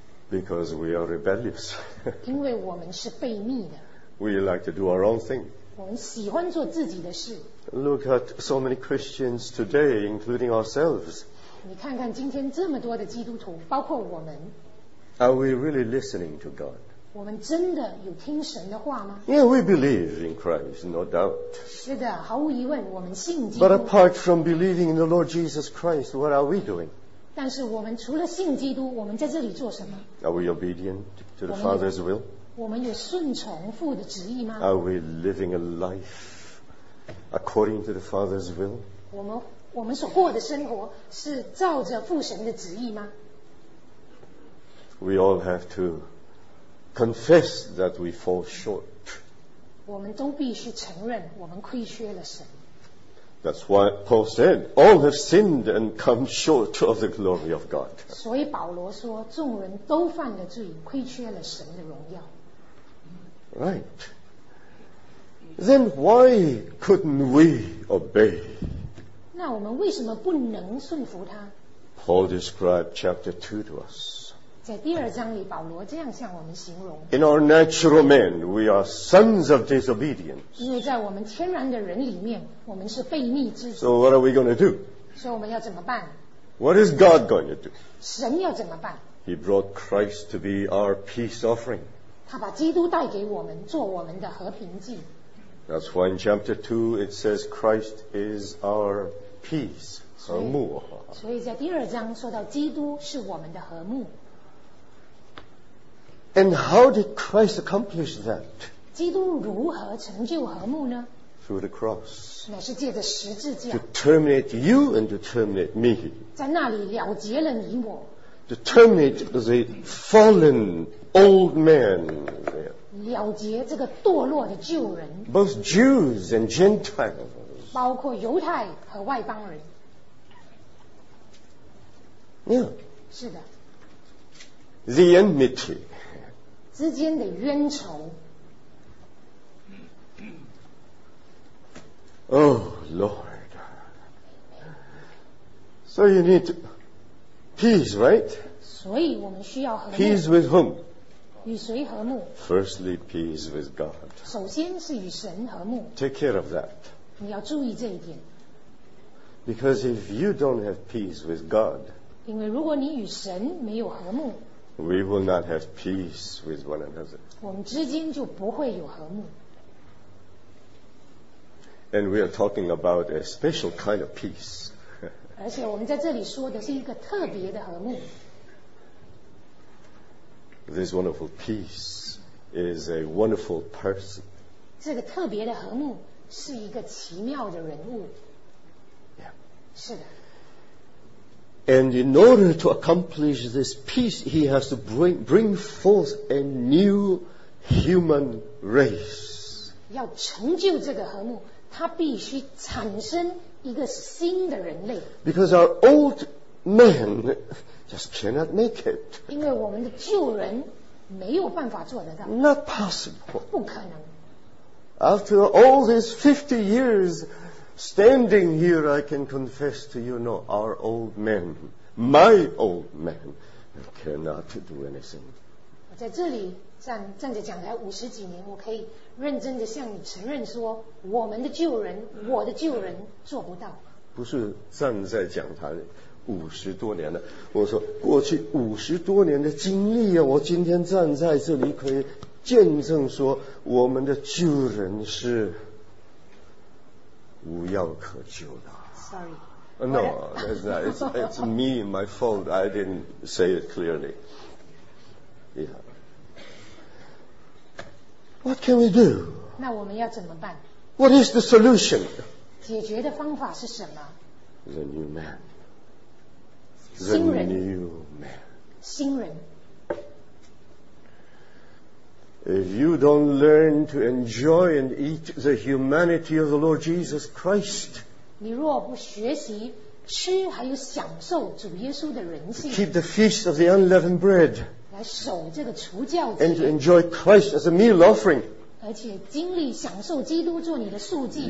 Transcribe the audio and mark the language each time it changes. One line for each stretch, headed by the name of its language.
English: Because we are rebellious.
Chinese: 因为我们是悖逆的。
English: We like to do our own thing.
Chinese: 我们喜欢做自己的事。
English: Look at so many Christians today, including ourselves.
Chinese: 你看看今天这么多的基督徒，包括我们。
English: Are we really listening to God?
Chinese: 我们真的有听神的话吗？
English: Yeah, we believe in Christ, no doubt.
Chinese: 是的，毫无疑问，我们信基督。
English: But apart from believing in the Lord Jesus Christ, what are we doing?
Chinese: 但是我们除了信基督，我们在这里做什么？
English: Are we obedient to the Father's will?
Chinese: 我们有顺从父的旨意吗？
English: Are we living a life according to the Father's will?
Chinese: 我们所过的生活是照着父神的旨意吗？
English: We all have to. Confess that we fall short.
Chinese: 我们都必须承认我们亏缺了神。
English: That's why Paul said, "All have sinned and come short of the glory of God."
Chinese: 所以保罗说，众人都犯了罪，亏缺了神的荣耀。
English: Right. Then why couldn't we obey?
Chinese: 那我们为什么不能顺服他？
English: Paul described chapter 2 to us.
Chinese: 在第二章里，保罗这样向我们形容
English: ：In our natural man, we are sons of disobedience.
Chinese: 因为在我们天然的人里面，我们是悖逆之子。
English: So what are we going to do?
Chinese: 所以我们要怎么办
English: ？What is God going to do?
Chinese: 神要怎么办
English: ？He brought Christ to be our peace offering.
Chinese: 他把基督带给我们，做我们的和平祭。
English: That's why in chapter 2 it says Christ is our peace, 和睦。
Chinese: 所以在第二章说到基督是我们的和睦。
English: And how did Christ accomplish that?
Chinese: 基督如何成就和睦呢？
English: Through the cross.
Chinese: 乃是借着十字架。
English: To terminate you and to terminate me.
Chinese: 在那里了结了你我。
English: To terminate the fallen old man.
Chinese: 了结这个堕落的旧人。
English: Both Jews and Gentiles.
Chinese: 包括犹太和外邦人。
English: Yeah.
Chinese: 是的。
English: The enmity.
Chinese: 之间的冤仇。
English: Oh, Lord. So you need Peace, right?
Chinese: 所以我们需要和睦。
English: Peace with whom?
Chinese: 与谁和睦？
English: Firstly, peace with God.
Chinese: 首先是与神和睦。
English: Take care of that.
Chinese: 你要注意这一点。
English: Because if you don't have peace with God,
Chinese: 因为如果你与神没有和睦，
English: we will not have peace with one another.
Chinese: 我们之间就不会有和睦。
English: And we are talking about a special kind of peace.
Chinese: 而且我们在这里说的是一个特别的和睦。
English: This wonderful peace is a wonderful person.
Chinese: 这个特别的和睦是一个奇妙的人物。
English: And in order to accomplish this peace, he has to bring forth a new human race.
Chinese: 要成就这个和睦，他必须产生一个新的人类。
English: Because our old man just cannot make it.
Chinese: 因为我们的旧人没有办法做得到。
English: Not possible.
Chinese: 不可能。
English: After all these 50 years. Standing here, I can confess to you, no, our old man, my old man, cannot do anything.
Chinese: 我在这里站着讲台五十几年，我可以认真的向你承认说，我们的旧人，我的旧人做不到。不是站在讲台五十多年了，我说过去五十多年的经历啊，我今天站在这里可以见证说，我们的旧人是。无药可救的。
English: Sorry. No, that's not. It's me, my fault. I didn't say it clearly. Yeah. What can we do?
Chinese: 那我们要怎么办？
English: What is the solution?
Chinese: 解决的方法是什么？
English: The new man.
Chinese: 新人。
English: The new man.
Chinese: 新人。
English: If you don't learn to enjoy and eat the humanity of the Lord Jesus Christ,
Chinese: 你若不学习吃还有享受主耶稣的人性，
English: keep the feast of the unleavened bread,
Chinese: 来守这个除酵节，
English: and to enjoy Christ as a meal offering,
Chinese: 而且经历享受基督做你的素祭，